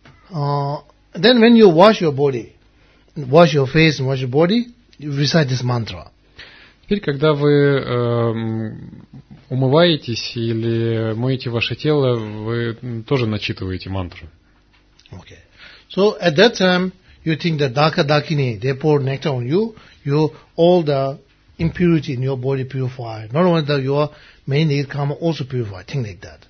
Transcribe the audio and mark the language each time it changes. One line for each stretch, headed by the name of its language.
English: Then when you wash your body, wash your face and wash your body, you recite this mantra.
Russian: Теперь, когда вы умываетесь или моете ваше тело, вы тоже начитываете мантру.
English: Okay. So at that time you think that Daka Dakini, they pour nectar on you, you all the impurity in your body purify. Not only that, your main need karma also purify, think like that.